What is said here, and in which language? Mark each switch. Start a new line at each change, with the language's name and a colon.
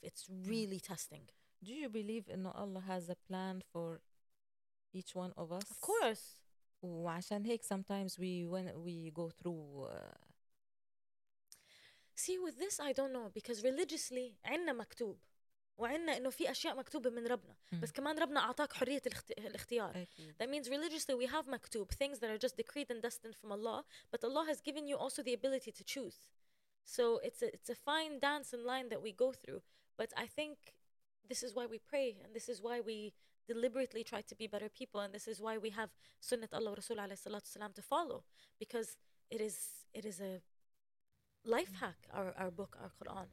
English: It's really testing. Do you believe in Allah has a plan for each one of us? Of course.
Arabic: وعشان هيك
English: sometimes when we go through. See, with this, I don't know, because religiously,
Arabic: عنا مكتوب. وعنا إنه في أشياء مكتوبة من ربنا. بس كمان ربنا أعطاك حرية الاختيار.
English: That means religiously we have مكتوب, things that are just decreed and destined from Allah. But Allah has given you also the ability to choose. So it's a fine dance and line that we go through. But I think this is why we pray, and this is why we deliberately try to be better people, and this is why we have Sunnah Allah Rasul alayhi salatu salam to follow, because it is a life hack, our book, our Quran.